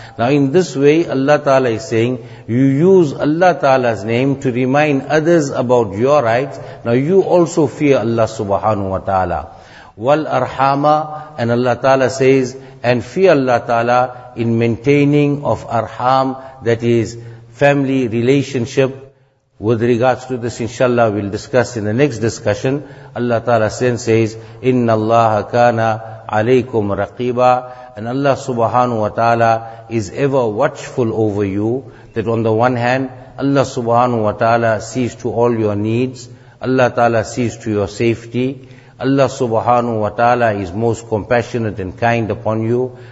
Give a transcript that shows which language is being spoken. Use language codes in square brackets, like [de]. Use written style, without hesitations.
[en] Now in this way, Allah ta'ala is saying, you use Allah ta'ala's name to remind others about your rights, now you also fear Allah subhanahu wa ta'ala. Wal arhama, and Allah ta'ala says, and fear Allah ta'ala in maintaining of arham, that is family relationship. With regards to this, inshallah, we'll discuss in the next discussion. Allah Ta'ala then says, [ar] إِنَّ اللَّهَ كَانَ عَلَيْكُمْ رَقِيبًا. [en] And Allah subhanahu wa ta'ala is ever watchful over you. That on the one hand, Allah subhanahu wa ta'ala sees to all your needs. Allah Ta'ala sees to your safety. Allah subhanahu wa ta'ala is most compassionate and kind upon you.